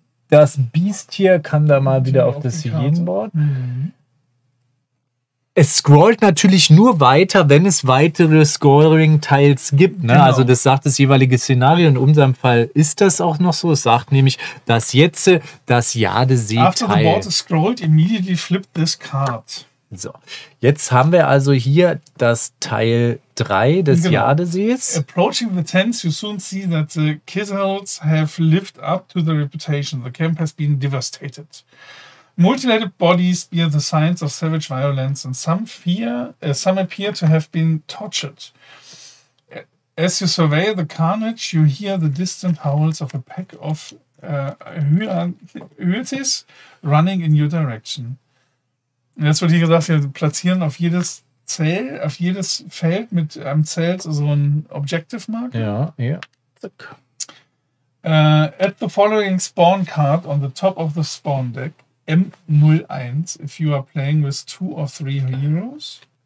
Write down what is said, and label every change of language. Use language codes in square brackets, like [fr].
[de] Das Biest hier kann da mal wieder auf das Hyänenboard. Es scrollt natürlich nur weiter, wenn es weitere Scoring-Tiles gibt. Ne? Genau. Also das sagt das jeweilige Szenario. In unserem Fall ist das auch noch so. Es sagt nämlich, dass jetzt das Jadesee-Teil... [en] After the board is scrolled, immediately flip this card. [de] So, jetzt haben wir also hier das Teil 3 des Jadesees. [en] Approaching the tents, you soon see that the Kizzards have lived up to the reputation. The camp has been devastated. Mutilated bodies bear the signs of savage violence and some appear to have been tortured. As you survey the carnage, you hear the distant howls of a pack of Hyaltis running in your direction. [de] Jetzt wird hier gesagt, wir platzieren auf jedes Feld mit einem Zelt so ein Objective Marker. Ja, ja. [en] Add the following spawn card on the top of the spawn deck, M01, if you are playing with 2 or 3 heroes.